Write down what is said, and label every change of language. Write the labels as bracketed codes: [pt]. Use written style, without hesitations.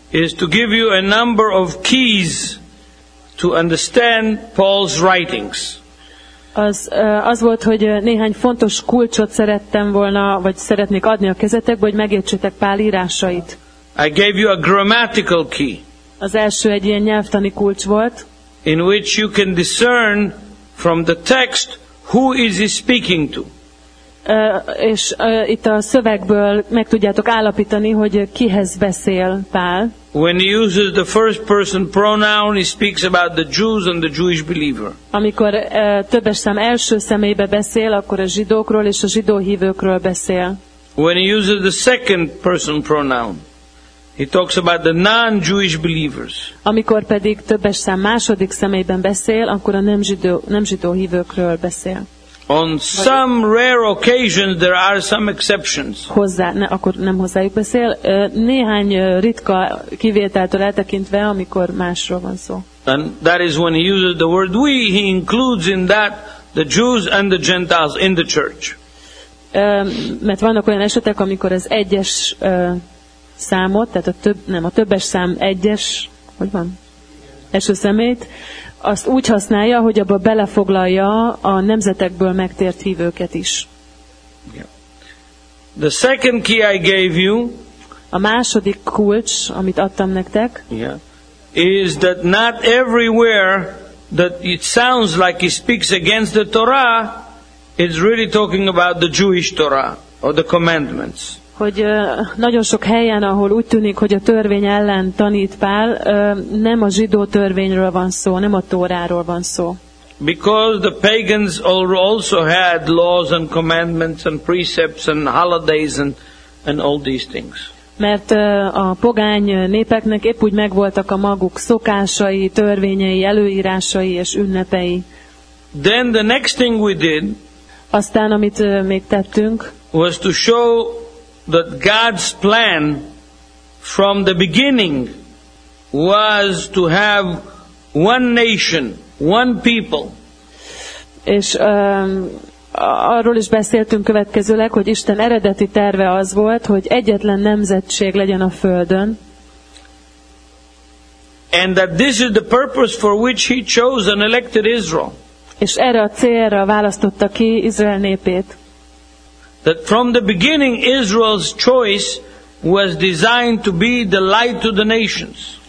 [en] is to give you a number of keys to understand Paul's writings. [hu] Az volt, hogy néhány fontos kulcsot szerettem volna, vagy szeretnék adni a kezetekbe, hogy megértsétek Pál írásait. [en] I gave you a grammatical key. [hu] Az első egy ilyen nyelvtani kulcs volt. [en] In which you can discern from the text who is he speaking to. [hu] És itt a szövegből meg tudjátok állapítani, hogy kihez beszél Pál. [en] When he uses the first person pronoun, he speaks about the Jews and the Jewish believer. [hu] Amikor többes szám első személybe beszél, akkor a zsidókról és a zsidó hívőkről beszél. [en] When he uses the second person pronoun, he talks about the non-Jewish believers. [hu] Amikor pedig többes szám második személyben beszél, akkor a nem zsidó hívőkről beszél. [en] On some rare occasions there are some exceptions. [hu] Hozzá, ne, akkor nem hozzájuk beszél. Néhány ritka kivételtől eltekintve, amikor másról van szó. [en] And that is when he uses the word we, he includes in that the Jews and the Gentiles in the church. [hu] Mert vannak olyan esetek, amikor az egyes számot, tehát a többes szám egyes, hogy van? Első szemét, azt úgy használja, hogy abba belefoglalja a nemzetekből megtért hívőket is. [en] The second key I gave you, [hu] a második kulcs, amit adtam nektek, [en] is that not everywhere that it sounds like he speaks against the Torah, it's really talking about the Jewish Torah or the commandments. [hu] Hogy nagyon sok helyen, ahol úgy tűnik, hogy a törvény ellen tanít Pál, nem a zsidó törvényről van szó, nem a Tóráról van szó. [en] Because the pagans also had laws and commandments and precepts and holidays and all these things. [hu] Mert a pogány népeknek épp úgy megvoltak a maguk szokásai, törvényei, előírásai és ünnepei. [en] Then the next thing we did, [hu] aztán amit még tettünk, [en] was to show that God's plan from the beginning was to have one nation, one people. [hu] És arról is beszéltünk következőleg, hogy Isten eredeti terve az volt, hogy egyetlen nemzetség legyen a földön. [en] And that this is the purpose for which he chose and elected Israel. [hu] És erre a célra választotta ki Izrael népét. [en] That from the beginning Israel's choice was designed to be the light to the nations.